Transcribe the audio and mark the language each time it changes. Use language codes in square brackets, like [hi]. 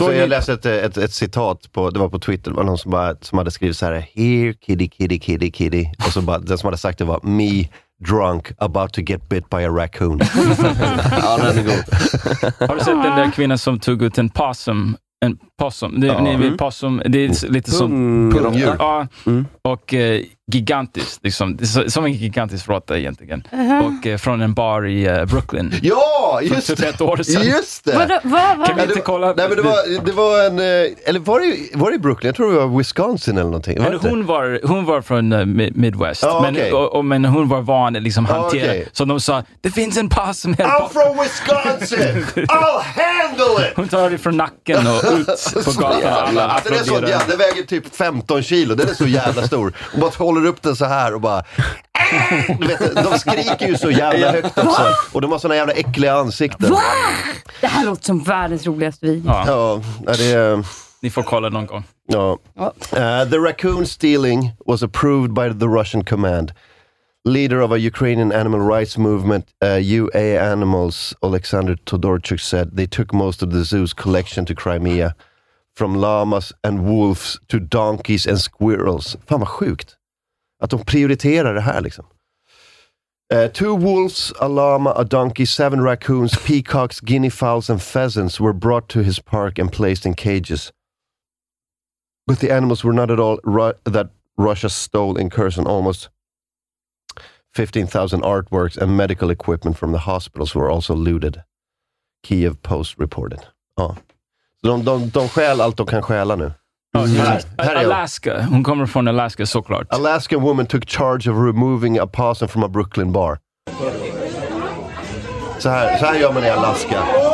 [sv] Jag läste ett citat, det var på Twitter, det var någon som hade skrivit så här, [en] here kitty kitty kitty kitty, [sv] och så bara, den som hade sagt det var me [en] drunk about to get bit by a raccoon. [sv] Ja, den är god. Har du sett den där kvinnan som tog ut en possum? En possum. Possum, det är lite som pungdjur. Och gigantiskt. Liksom. Som en gigantisk råtta egentligen. Uh-huh. Och från en bar i Brooklyn. Ja, just det! För 21 år sedan. Just det! Kan vi inte kolla? Nej, men det var en... Eller var det Brooklyn? Jag tror det var Wisconsin eller någonting. Men hon var från Midwest. Ah, men, okay. men hon var van att liksom hantera. Ah, okay. Så de sa, det finns en possum här. [en] I'm from Wisconsin! I'll handle it! [sv] Hon tar det från nacken och ut på gatan. Alltså, det väger typ 15 kilo. Det är så jävla stor. Håller upp den så här och bara du vet, de skriker ju så jävla högt också. Va? Och de har såna jävla äckliga ansikten. Va? Det här låter som världens roligaste video. Ja. Ja, det är... Ni får kolla någon gång. Ja. [en] The raccoon stealing was approved by the Russian command. Leader of a Ukrainian animal rights movement, UA Animals, Alexander Todorchuk said they took most of the zoo's collection to Crimea. From llamas and wolves to donkeys and squirrels. [sv] Fan vad sjukt. Att de prioriterar det här liksom. [en] Two wolves, a llama, a donkey, 7 raccoons, peacocks, guinea fowls and pheasants were brought to his park and placed in cages. But the animals were not at all that Russia stole in Kherson. Almost 15,000 artworks and medical equipment from the hospitals were also looted. Kiev Post reported. Oh. [sv] De stjäl allt de kan stjäla nu. Alaska. Hon kommer från Alaska såklart. [en] Alaskan woman took charge of removing a possum from a Brooklyn bar. [sv] Så här gör man i Alaska.